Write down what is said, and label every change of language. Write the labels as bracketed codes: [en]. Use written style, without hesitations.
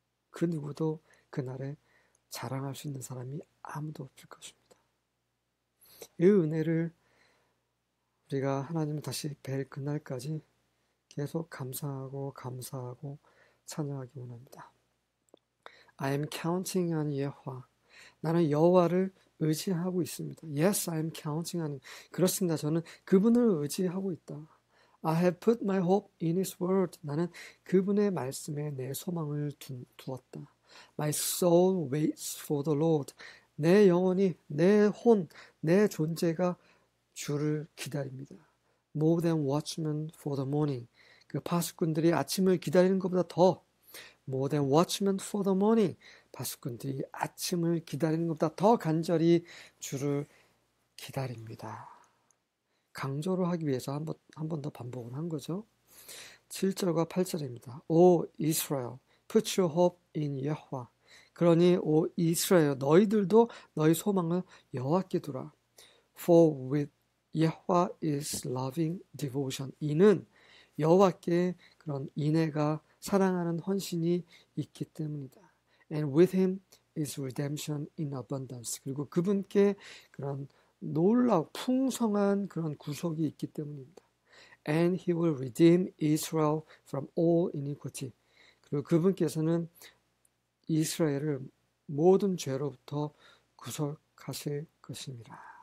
[ko] 그 누구도 그날에 자랑할 수 있는 사람이 아무도 없을 것입니다. 이 은혜를 우리가 하나님을 다시 뵐 그날까지 계속 감사하고 감사하고 찬양하기 원합니다. [en] I am counting on 여호와. [ko] 나는 여호와를 의지하고 있습니다. [en] Yes, I am counting on him. [ko] 그렇습니다. 저는 그분을 의지하고 있다. [en] I have put my hope in his word. [ko] 나는 그분의 말씀에 내 소망을 두었다. [en] My soul waits for the Lord. [ko] 내 영혼이, 내 혼, 내 존재가 주를 기다립니다. [en] More than watchmen for the morning. [ko] 그 파수꾼들이 아침을 기다리는 것보다 더. [en] More than watchmen for the morning. [ko] 파수꾼들이 아침을 기다리는 것보다 더 간절히 주를 기다립니다. 강조를 하기 위해서 한번더 반복을 한 거죠. 7절과 8절입니다. [en] O Israel, put your hope in Yahweh. [ko] 그러니 O Israel, 너희들도 너희 소망을 여호와께 두라. [en] For with Yahweh is loving devotion. [ko] 이는 여호와께 그런 인애가 사랑하는 헌신이 있기 때문이다. [en] And with him is redemption in abundance. [ko] 그리고 그분께 그런 놀라운 풍성한 그런 구속이 있기 때문입니다. [en] And he will redeem Israel from all iniquity. [ko] 그리고 그분께서는 이스라엘을 모든 죄로부터 구속하실 것입니다.